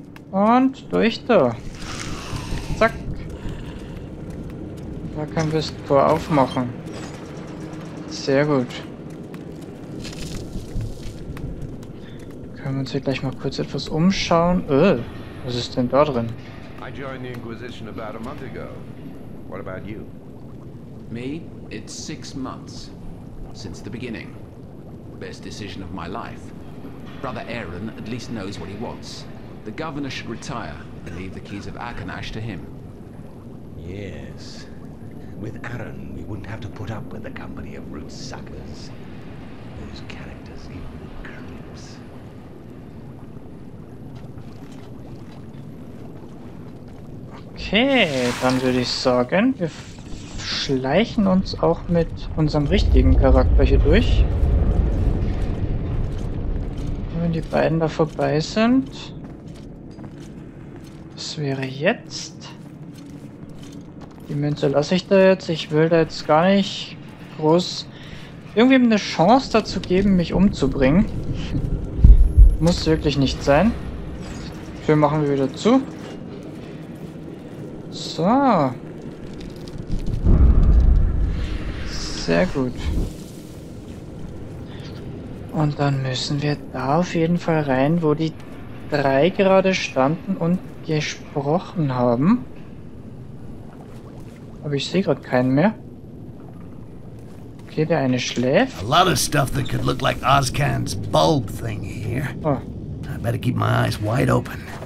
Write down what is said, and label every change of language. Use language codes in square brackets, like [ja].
[de] Und durch da. Zack. Da Da können wir das Tor aufmachen. Sehr gut. Können wir uns hier gleich mal kurz etwas umschauen? Was ist denn da drin? [en] I joined the Inquisition about a month ago. What about you? Me? It's 6 months since the beginning. Best decision of my life. Brother Aaron at least knows what he wants. The governor should retire and leave the keys of Akanash to him. Yes. With Aaron, we wouldn't have to put up with the company of root suckers. Those characters give me the creeps. [de] Okay, dann würde ich sagen, wir schleichen uns auch mit unserem richtigen Charakter hier durch. Wenn die beiden da vorbei sind, was wäre jetzt? Die Münze lasse ich da jetzt. Ich will da jetzt gar nicht groß irgendwie eine Chance dazu geben, mich umzubringen. Muss wirklich nicht sein. Tür machen wir wieder zu. So. Sehr gut. Und dann müssen wir da auf jeden Fall rein, wo die drei gerade standen und gesprochen haben. Aber ich sehe gerade keinen mehr. Okay, der eine schläft. [en] A lot of stuff that could look like Ozcan's bulb thing here. Oh. I better keep my eyes wide open.